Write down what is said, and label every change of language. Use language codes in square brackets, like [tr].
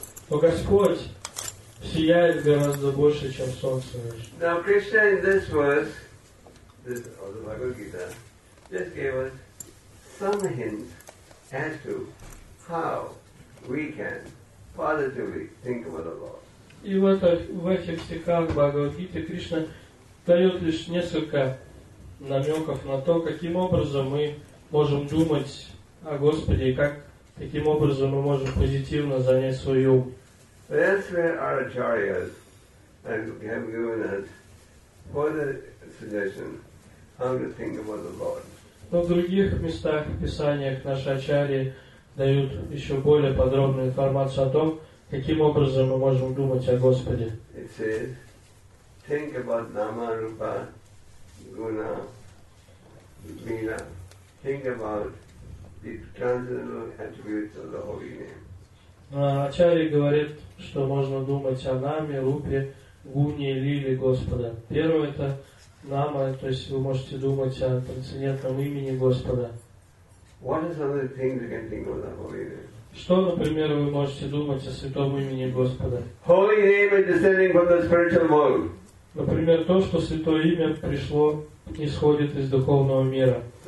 [ru] Но Господь сияет гораздо больше, чем солнце. [en] Now Krishna in this verse, this of the Bhagavad Gita, just gave us some hints as to how we can positively think about the Lord. [ru] И в этих стихах Бхагавад-гиты Кришна дает лишь несколько намеков на то, каким образом мы можем думать о Господе и как таким образом мы можем позитивно занять свой ум. [en] That's where our acharyas have given us further suggestion how to think about the Lord. [ru] Но в других местах, в писаниях, наши ачарьи дают еще более подробную информацию о том, каким образом мы можем думать о Господе? [en] It says, think about Nama, Rupa, Guna, Mila. Think about the transcendental attributes of the Holy Name. [ru] Ачарьи говорят, что можно думать о Наме, Рупе, Гуне и Лиле Господа. Первое – это Нама, то есть вы можете думать о трансцендентном имени Господа. [en] What is other thing you can think of the Holy Name? [ru] Что, например, вы можете думать о святом имени Господа? [en] Holy name is descending from the spiritual world. [ru] Например, то, что Святое Имя пришло, исходит из духовного мира.